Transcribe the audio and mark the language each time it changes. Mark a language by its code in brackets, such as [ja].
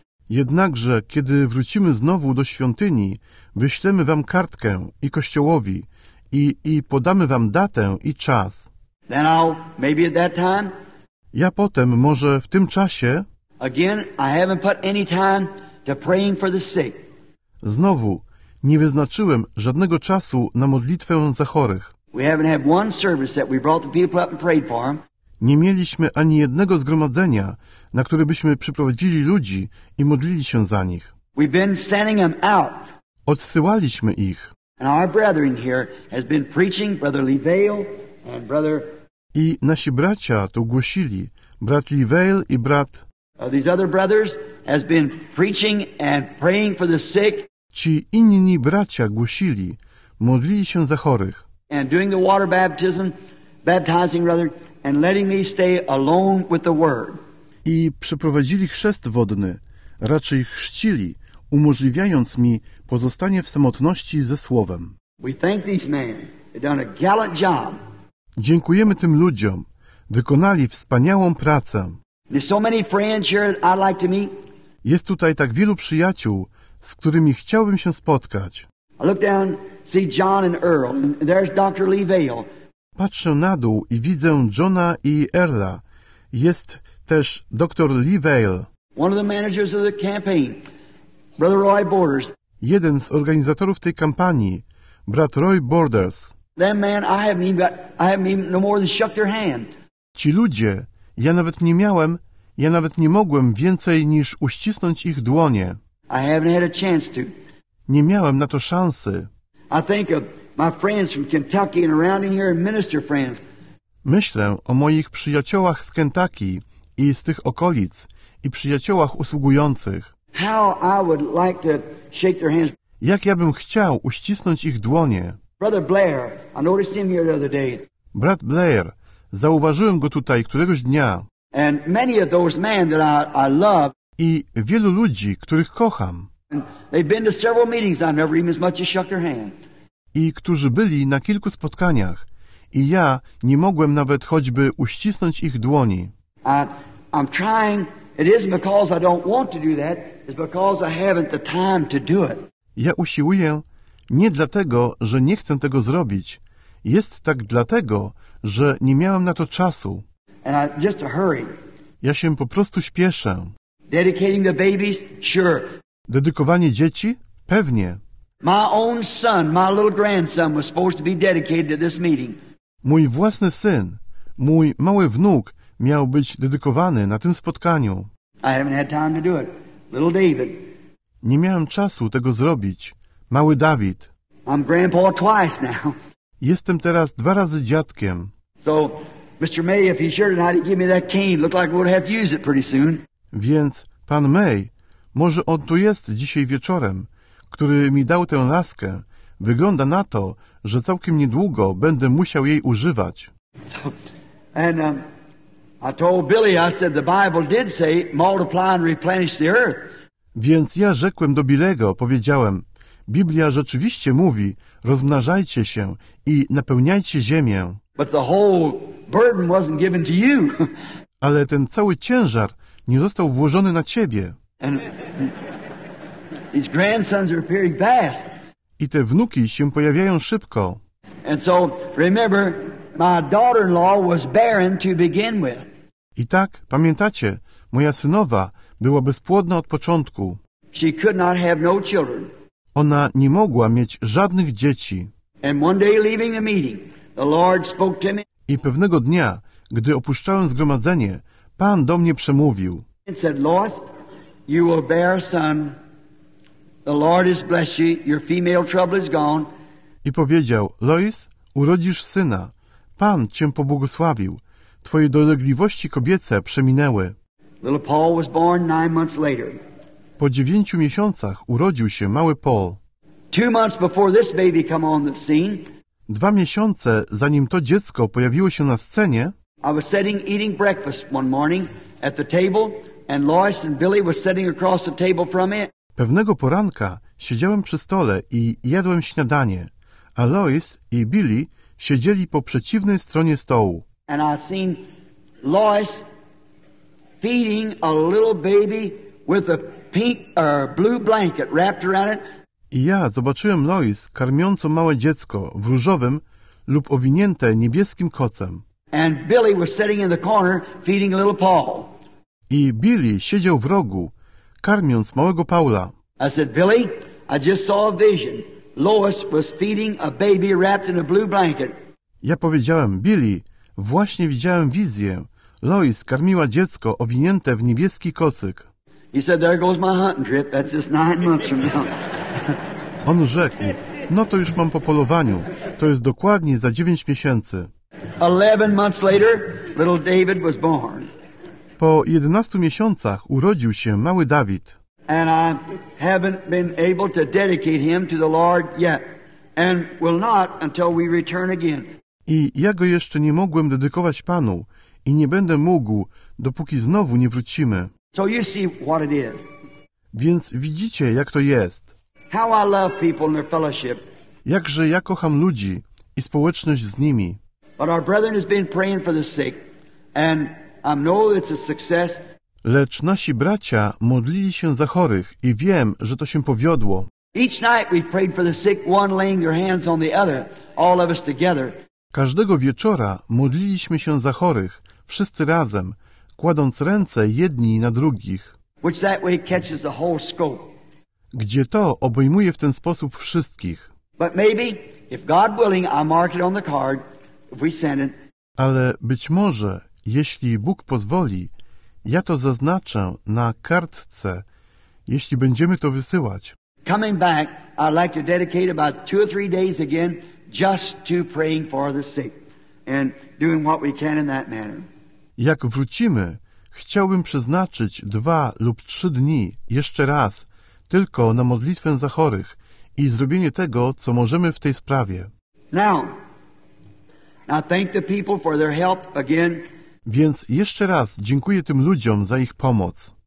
[pl] Jednakże, kiedy wrócimy znowu do świątyni, wyślemy wam kartkę i kościołowi i podamy wam datę i czas. [en] Then I'll, maybe at that time, [pl] ja potem, może w tym czasie, [en] again, I haven't put any time to praying for the sick. [pl] Znowu, nie wyznaczyłem żadnego czasu na modlitwę za chorych. [en] We haven't had one service that we brought the people up and prayed for them. [pl] Nie mieliśmy ani jednego zgromadzenia, na które byśmy przyprowadzili ludzi i modlili się za nich. [en] We've been sending them out. [pl] Odsyłaliśmy ich. [en] And our brethren here has been preaching, Brother Leveil and Brother. [pl] I nasi bracia tu głosili, brat Leveil i brat. [en] These other brothers has been preaching and praying for the sick. [pl] Ci inni bracia głosili, modlili się za chorych. [en] And doing the water baptism, baptizing rather. And letting me stay alone with the word. [pl] I przeprowadzili chrzest wodny, raczej chrzcili, umożliwiając mi pozostanie w samotności ze słowem. [en] We thank these men. They've done a gallant job. [pl] Dziękujemy tym ludziom. Wykonali wspaniałą pracę. [en] There's so many friends here that I'd like to meet. [pl] Jest tutaj tak wielu przyjaciół, z którymi chciałbym się spotkać. [en] I look down, see John and Earl, and there's Dr. Lee Vail. [pl] Patrzę na dół i widzę Johna i Erla. Jest też dr Lee Vail. [en] One of the managers of the campaign, Brother Roy Borders. [pl] Jeden z organizatorów tej kampanii, brat Roy Borders. [en] That man, I haven't even no more than shook their hand. [pl] Ci ludzie, ja nawet nie mogłem więcej niż uścisnąć ich dłonie. [en] I haven't had a chance to. [pl] Nie miałem na to szansy. [en] I think of my friends from Kentucky and around in here and minister friends. [pl] Myślę o moich przyjaciołach z Kentucky i z tych okolic i przyjaciołach usługujących. [en] How I would like to shake their hands. [pl] Jak ja bym chciał uścisnąć ich dłonie. [en] Brother Blair, I noticed him here the other day. [pl] Brat Blair, zauważyłem go tutaj któregoś dnia. [en] And many of those men that I love. [pl] I wielu ludzi, których kocham. [en] And they've been to several meetings. I've never even as much as shook their hand. [pl] I którzy byli na kilku spotkaniach. I ja nie mogłem nawet choćby uścisnąć ich dłoni. [en] I'm trying. It isn't because I don't want to do that. It's because I haven't the time to do it. [pl] Ja usiłuję nie dlatego, że nie chcę tego zrobić. Jest tak dlatego, że nie miałem na to czasu. [en] And I, just a hurry. [pl] Ja się po prostu śpieszę. [en] Dedicating the babies? Sure. [pl] Dedykowanie dzieci? Pewnie. [en] My own son, my little grandson, was supposed to be dedicated to this meeting. [pl] Mój własny syn, mój mały wnuk miał być dedykowany na tym spotkaniu. [en] I haven't had time to do it. Little David. [pl] Nie miałem czasu tego zrobić. Mały Dawid. [en] I'm grandpa twice now. [pl] Jestem teraz dwa razy dziadkiem. [en] So, Mr. May, if he's here tonight, he'd give me that cane. Look like we'll have to use it pretty soon. [pl] Więc pan May, może on tu jest dzisiaj wieczorem, który mi dał tę laskę. Wygląda na to, że całkiem niedługo będę musiał jej używać. [en] So, and I told Billy, I said the Bible did say multiply and replenish the earth. [pl] Więc ja rzekłem do Billego, powiedziałem, Biblia rzeczywiście mówi, rozmnażajcie się i napełniajcie ziemię. [en] But the whole burden wasn't given to you. [pl] Ale ten cały ciężar nie został włożony na ciebie. [en] And his grandsons are appearing fast. [pl] I te wnuki się pojawiają szybko. [en] And so, remember, my daughter-in-law was barren to begin with. [pl] I tak, pamiętacie, moja synowa była bezpłodna od początku. [en] She could not have no children. [pl] Ona nie mogła mieć żadnych dzieci. [en] And one day leaving the meeting, the Lord spoke to me. [pl] I pewnego dnia, gdy opuszczałem zgromadzenie, Pan do mnie przemówił. [en] And said, Lois, you will bear a son. The Lord has blessed you. Your female trouble is gone. [pl] I powiedział, Lois, urodzisz syna. Pan cię pobłogosławił. Twoje dolegliwości kobiece przeminęły. [en] Little Paul was born 9 months later. [pl] Po 9 miesiącach urodził się mały Paul. [en] 2 months before this baby come on the scene. [pl] 2 miesiące, zanim to dziecko pojawiło się na scenie. [en] I was sitting eating breakfast one morning at the table, and Lois and Billy were sitting across the table from me. [pl] Pewnego poranka siedziałem przy stole i jadłem śniadanie, a Lois i Billy siedzieli po przeciwnej stronie stołu. [en] And I seen Lois feeding a little baby with a pink or blue blanket wrapped around it. [pl] I ja zobaczyłem Lois karmiącą małe dziecko w różowym lub owinięte niebieskim kocem. [en] And Billy was sitting in the corner feeding little Paul. [pl] I Billy siedział w rogu, karmiąc małego Paula. [en] I said, Billy, I just saw a vision. Lois was feeding a baby wrapped in a blue blanket. [pl] Ja powiedziałem, Billy, właśnie widziałem wizję. Lois karmiła dziecko owinięte w niebieski kocyk. [en] He said, there goes my hunting trip. That's just 9 months from now. [pl] On rzekł, no to już mam po polowaniu. To jest dokładnie za 9 miesięcy. [en] 11 months later, little David was born. [pl] Po 11 miesiącach urodził się mały Dawid. [en] And I haven't been able to dedicate him to the Lord yet, and will not until we return again. [pl] I ja go jeszcze nie mogłem dedykować Panu i nie będę mógł, dopóki znowu nie wrócimy. [en] So you see what it is. [pl] Więc widzicie, jak to jest. [en] How I love people and their fellowship. [pl] Jakże ja kocham ludzi i społeczność z nimi. [en] But our brethren has been praying for the sick, and I know it's a success. [pl] Lecz nasi bracia modlili się za chorych i wiem, że to się powiodło. [en] Each night we prayed for the sick, one laying their hands on the other, all of us together. [pl] Każdego wieczora modliliśmy się za chorych, wszyscy razem, kładąc ręce jedni na drugich. [en] Which that way catches the whole scope. [pl] Gdzie to obejmuje w ten sposób wszystkich. [en] But maybe, if God willing, I mark it on the card, if we send it. [pl] Ale być może, jeśli Bóg pozwoli, ja to zaznaczę na kartce, jeśli będziemy to wysyłać. [en] Coming back, I'd like to dedicate about two or three days again just to praying for the sick and doing what we can in that manner. [pl] Jak wrócimy, chciałbym przeznaczyć dwa lub trzy dni jeszcze raz tylko na modlitwę za chorych i zrobienie tego, co możemy w tej sprawie. [en] Now thank the people for their help again. [pl] Więc jeszcze raz dziękuję tym ludziom za ich pomoc.